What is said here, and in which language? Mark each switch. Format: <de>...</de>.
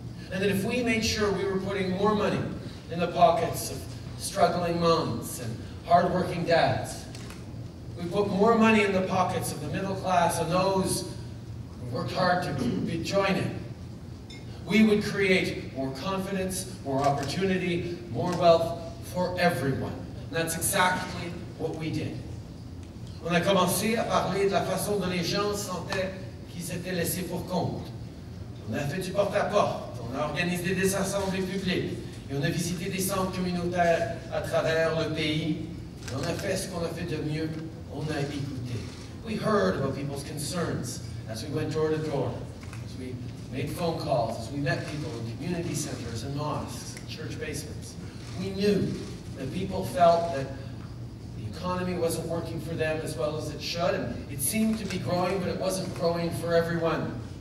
<en>And that if we made sure we were putting more money in the pockets of struggling moms and hardworking dads, we put more money in the pockets of the middle class and those who worked hard to be joining, we would create more confidence, more opportunity, more wealth for everyone. And that's exactly what we did.</en> <fr>On a commencé à parler de la façon dont les gens sentaient qu'ils s'étaient laissés pour compte. On a fait du porte-à-porte, on a organisé des assemblées publiques, et on a visité des centres communautaires à travers le pays. Et on a fait ce qu'on a fait de mieux, on a écouté.</fr> <en>We heard about people's concerns as we went door to door, as we made phone calls, as we met people in community centers and mosques and church basements. We knew that people felt that the economy wasn't working for them as well as it should, and it seemed to be growing, but it wasn't growing for everyone.</en>